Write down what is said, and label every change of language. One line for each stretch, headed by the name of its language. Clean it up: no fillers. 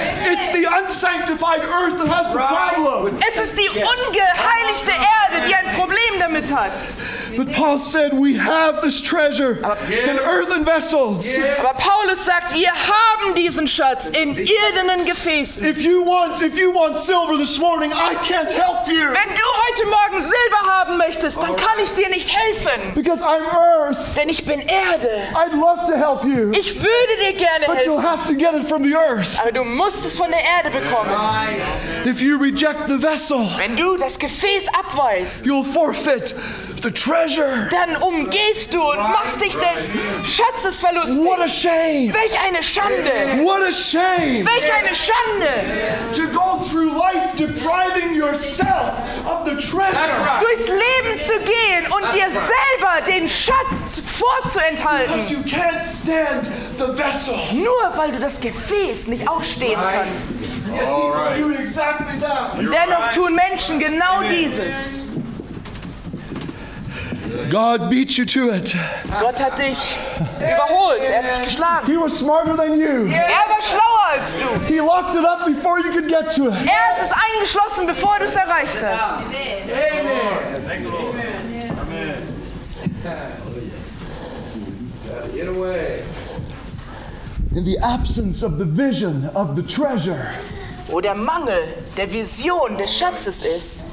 English: It's the unsanctified earth that has the problem.
German: Es ist die ungeheiligte Erde, die ein Problem damit hat.
English: But Paul said, we have this treasure in earthen vessels.
German: Aber Paulus sagt, wir haben diesen Schatz in irdenen Gefäßen.
English: If you want silver this morning, I can't help you.
German: Wenn du heute Morgen Silber haben möchtest, dann kann ich dir nicht helfen.
English: Because I'm earth.
German: Denn ich bin Erde.
English: I'd love to help you.
German: Ich würde dir gerne helfen.
English: But you'll have to get it from the earth.
German: Aber du musst es von der Erde bekommen.
English: If you reject the vessel,
German: wenn du das Gefäß abweist,
English: you'll forfeit the treasure.
German: Dann umgehst du und machst dich des Schatzes verlustig.
English: What a shame.
German: Welch eine Schande.
English: What a shame.
German: Welch eine Schande.
English: To go through life depriving yourself of the treasure.
German: Durchs Leben zu gehen und dir selber den Schatz vorzuenthalten.
English: Because you can't stand the vessel.
German: Nur weil du das Gefäß nicht ausstehen kannst. Dennoch tun Menschen genau dieses.
English: God beat you to it.
German: Gott hat dich überholt. Er hat dich geschlagen.
English: He was smarter than you.
German: Er war schlauer als du.
English: He locked it up before you could get to it.
German: Er hat es eingeschlossen, bevor du es erreicht hast. Amen. Amen.
English: Get away. In the absence of the vision of the treasure.
German: Wo der Mangel der Vision des Schatzes ist.